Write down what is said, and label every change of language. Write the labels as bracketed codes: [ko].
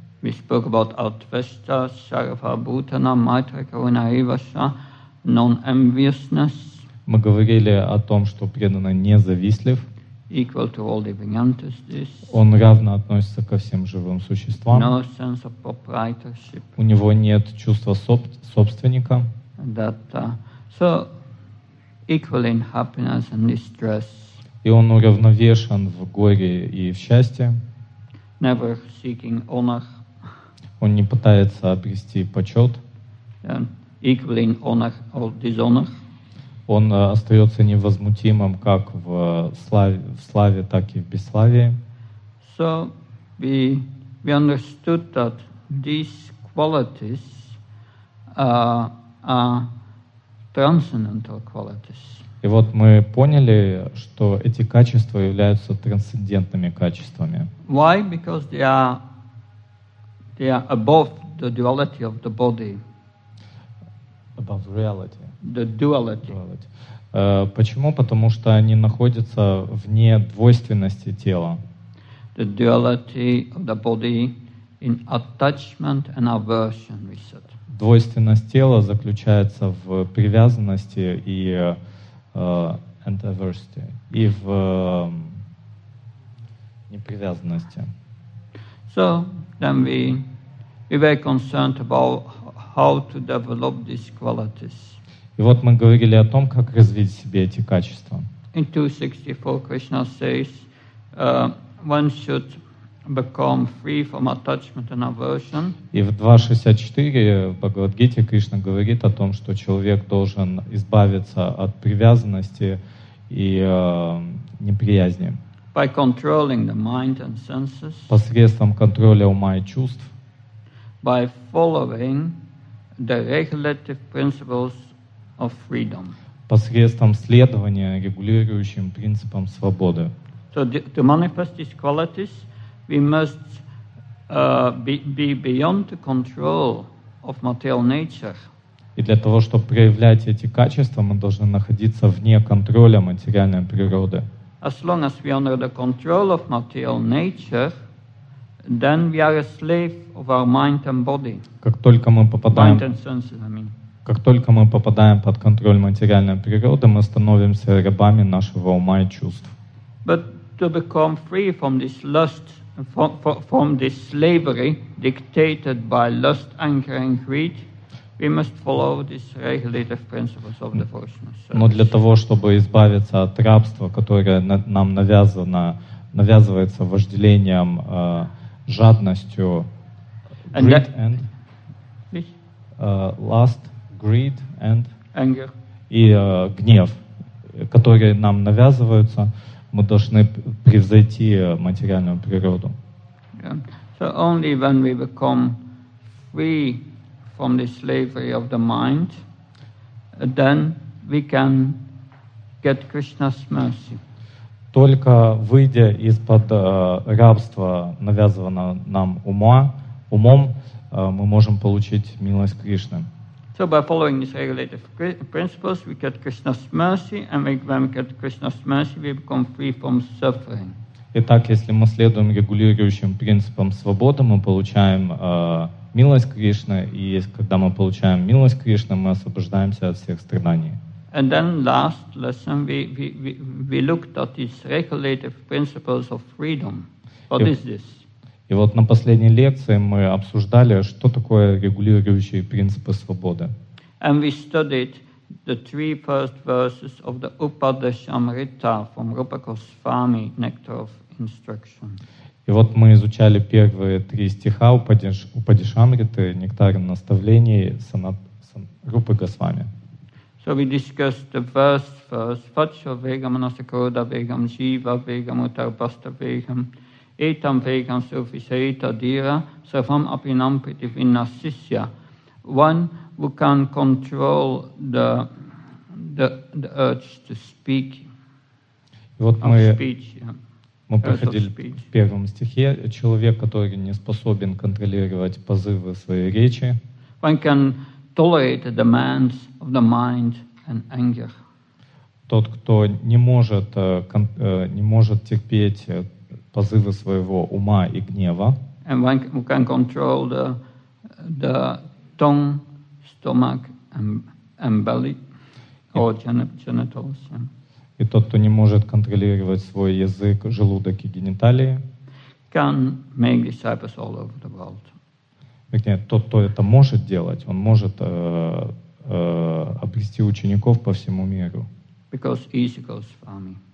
[en] We spoke about Advaita, Sarvabhutana, Maitra, Karuna, Ivasa, non-enviousness. [ru] Мы говорили о том, что преданный независтлив. [en] Equal to all living entities. This. [ru] Он равно относится ко всем живым существам. [en] No sense of proprietorship. [ru] У него нет чувства собственника. [en] That, so equal in happiness and distress. [ru] И он уравновешен в горе и в счастье. [en] Never seeking honor. [ru] Он не пытается обрести почет. [en] Equal in honor or dishonor. [ru] Он остается невозмутимым как в славе, так и в бесславии. [en] So we understood that these qualities are transcendental qualities. [ru] И вот мы поняли, что эти качества являются трансцендентными качествами. [en] Why? Because they are above the duality of the body. Above reality. The duality. [ru] Почему? Потому что они находятся вне двойственности тела. [en] The duality of the body in attachment and aversion, we said. [ru] Двойственность тела заключается в привязанности и [en] and aversity, [ru] и в непривязанности. [en] So then we were concerned about how to develop these qualities. [ru] И вот мы говорили о том, как развить в себе эти качества. [en] In 264 Krishna says, one should become free from attachment and aversion. [ru] И в 264 Бхагавад-гите Кришна говорит о том, что человек должен избавиться от привязанности и неприязни. [en] By controlling the mind and senses. [ru] Посредством контроля ума и чувств. [en] By following the regulative principles of freedom. [ru] Посредством следования регулирующим принципам свободы. [en] So to manifest these qualities, we must be beyond control of material nature. [ru] И для того, чтобы проявлять эти качества, мы должны находиться вне контроля материальной природы. [en] As long as we are under the control of material nature, then we are a slave of our mind and body. [ru] Как только мы попадаем, как только мы попадаем под контроль материальной природы, мы становимся рабами нашего ума и чувств. [en] But to become free from this lust, from this slavery dictated by lust, anger, and greed, we must follow these regulative principles of devotional service. [ru] Но для того, чтобы избавиться от рабства, которое нам навязано, навязывается вожделением, жадностью, [en] greed and anger. [ru] И гнев, которые нам навязываются, мы должны превзойти материальную природу. [en] Yeah. So only when we become free from the slavery of the mind, then we can get Krishna's mercy. [ru] Только выйдя из-под рабства, навязанного нам умом, мы можем получить милость Кришны. [en] So by following these regulative principles, we get Krishna's mercy, and when we get Krishna's mercy, we become free from suffering. [ru] Итак, если мы следуем регулирующим принципам свободы, мы получаем милость Кришны, и когда мы получаем милость Кришны, мы освобождаемся от всех страданий. [en] And then last lesson we looked at these regulative principles of freedom. What is this? [ru] И вот на последней лекции мы обсуждали, что такое регулирующие принципы свободы. [en] And we studied the three first verses of the Upadeshamrita from Rupa Goswami, Nectar of Instruction. [ru] И вот мы изучали первые три стиха Упадешамриты, Нектар наставлений Рупы Госвами. [en] So we discussed the verse first, Vatsya Vegam, Nasakoda Vegam, Jiva Vegam, Utarbasta Vegam, Etam Vegam, Sufiseta Dira, Savam Apinam Pritivina Sisya. One who can control the urge to speak. [ru] Мы проходили в первом стихе человек, который не способен контролировать позывы своей речи. [en] One can tolerate the demands of the mind and anger. [ru] Тот, кто не может терпеть позывы своего ума и гнева. [en] And one can control the tongue, stomach, and belly, or genitals. [ru] И тот, кто не может контролировать свой язык, желудок и гениталии, [en] can make disciples all over the world. [ru] Вернее, тот, кто это может делать, он может обрести учеников по всему миру. [en] Because he is Госвами.